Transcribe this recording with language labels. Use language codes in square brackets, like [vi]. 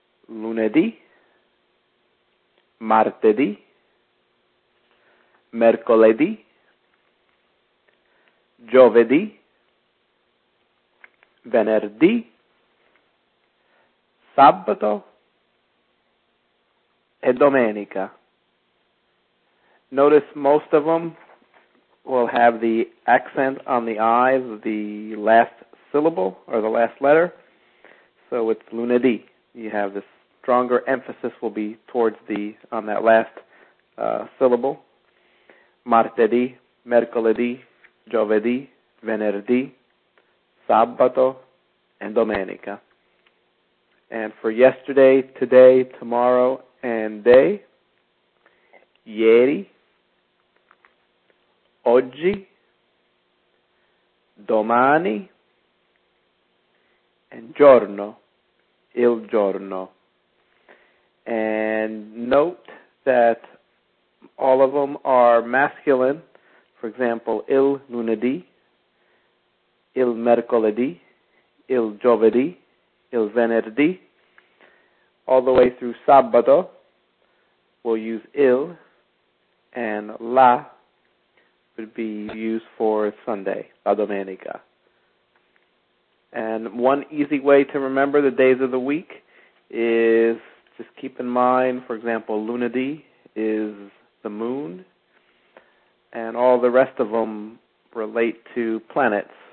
[it] Lunedì, martedì, mercoledì, giovedì, venerdì, sabato e domenica. [en] Notice most of them will have the accent on the I, the last syllable or the last letter. So it's lunedì. You have this stronger emphasis will be towards the on that last syllable. [it] Martedì, mercoledì, giovedì, venerdì, sabato e domenica. [en] And for yesterday, today, tomorrow, and day, [it] ieri, oggi, domani, [en] and [it] giorno, il giorno. [en] And note that all of them are masculine. For example, [it] il lunedì, il mercoledì, il giovedì, il venerdì. [en] All the way through sabato, we'll use il, and la would be used for Sunday, [it] la domenica. [en] And one easy way to remember the days of the week is just keep in mind, for example, lunedì is the moon, and all the rest of them relate to planets.